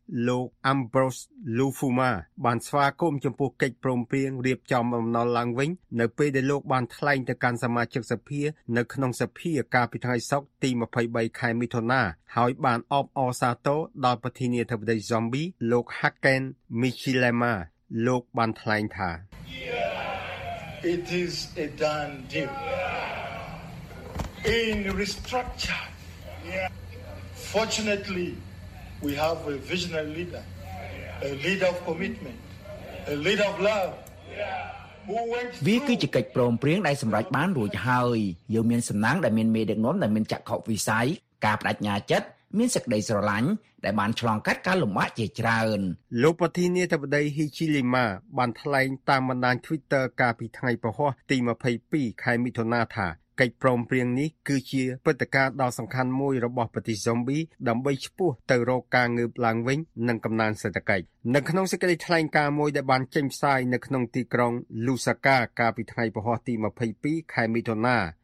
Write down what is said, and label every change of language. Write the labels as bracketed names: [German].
[Khmer] លោក Ambrose Lufuma បានស្វាគមន៍ចំពោះកិច្ចព្រមព្រៀងរៀបចំអំណរឡើងវិញនៅពេលដែលលោកបានថ្លែងទៅកាន់សមាជិកសភានៅក្នុងសភាកាលពីថ្ងៃសុក្រទី23ខែមិថុនាហើយបានអបអរសាទរដល់ប្រធានាធិបតីស៊ំប៊ីលោក Hakainde Hichilema លោកបានថ្លែងថា [English] It is a done deal in restructure Fortunately we have a visionary leader a leader of commitment a leader of love [Khmer] វាគឺជាកិច្ចព្រមព្រៀងដែលសម្រេចបានរួចហើយយើងមានសំណាងដែលមានមេដឹកនាំដែលមានចក្ខុវិស័យការបដិញ្ញាចិត្តមានសក្តីស្រឡាញ់ដែលបានឆ្លងកាត់ការលំបាកជាច្រើន លោកប្រធានាធិបតីហ៊ីជីលីម៉ាបានថ្លែងតាមបណ្ដាញ Twitter កាលពីថ្ងៃពុធទី22ខែមិថុនាថាកិច្ចព្រមព្រៀងនេះគឺជាព្រឹត្តិការណ៍ដ៏សំខាន់មួយរបស់ប្រទេសស៊ំប៊ីដើម្បីឈ្មោះទៅរកការងើបឡើងវិញនិងកំណើនសេដ្ឋកិច្ចនៅក្នុងសេចក្តីថ្លែងការណ៍មួយដែលបានចេញផ្សាយនៅក្នុងទីក្រុងលូសាកាកាលពីថ្ងៃពុធទី22ខែមិថុនា